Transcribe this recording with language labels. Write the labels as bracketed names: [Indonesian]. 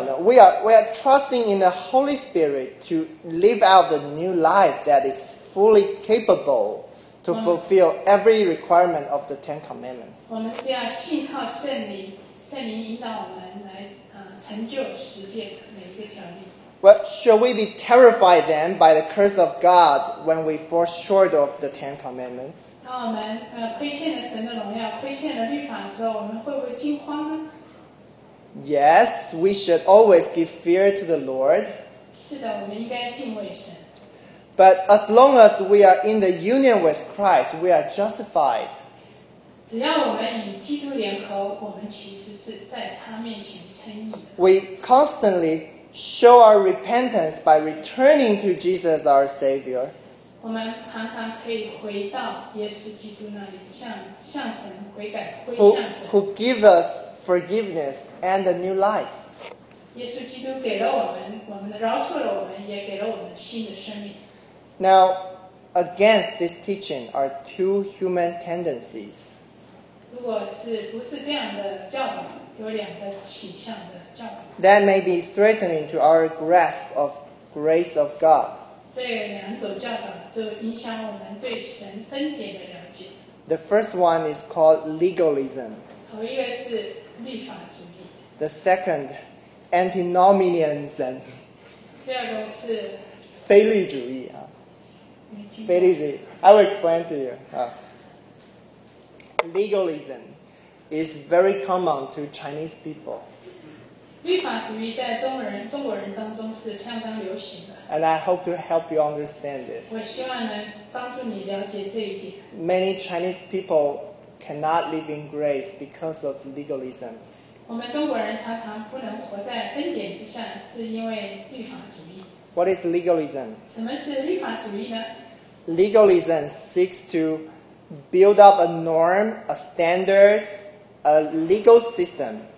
[English] We are trusting in the Holy Spirit to live out the new life that is fully capable to fulfill every requirement of the Ten Commandments. [Chinese] 我们是要信靠圣灵，圣灵引导我们来成就实践每一个条例。 [English] Well, shall we be terrified then by the curse of God when we fall short of the Ten Commandments? [Chinese] 当我们亏欠了神的荣耀，亏欠了律法的时候，我们会不会惊慌呢？ [English] Yes, we should always give fear to the Lord. [Chinese] 是的，我们应该敬畏神。 [English] But as long as we are in the union with Christ, we are justified. [Chinese] 只要我们与基督联合，我们其实是在他面前称义的。 [English] We constantly show our repentance by returning to Jesus, our Savior. [Chinese] 我们常常可以回到耶稣基督那里，向神悔改，归向神。 [English] Who give us forgiveness and a new life? [Chinese] 耶稣基督给了我们，我们饶恕了我们，也给了我们新的生命。 [English] Now, against this teaching are two human tendencies. [Chinese] 如果是不是这样的教导，有两个倾向的教导。 [English] That may be threatening to our grasp of grace of God. [Chinese] 这两种教导就影响我们对神恩典的了解。 [English] The first one is called legalism. [Chinese] 头一个是律法主义。 [English] The second, antinomianism. [Chinese] 第二个是非利主义啊。非利主义 [English] ，I will explain to you. Legalism is very common to Chinese people. [Chinese] 律法主义在中国人当中是相当流行的。 [English] And I hope to help you understand this. [Chinese] 我希望能帮助你了解这一点。 [English] Many Chinese people cannot live in grace because of legalism. [Chinese] 我们中国人常常不能活在恩典之下，是因为律法主义。 [English] What is legalism? [Chinese] 什么是律法主义呢？ [English] Legalism seeks to... build up a norm, a standard, a legal system.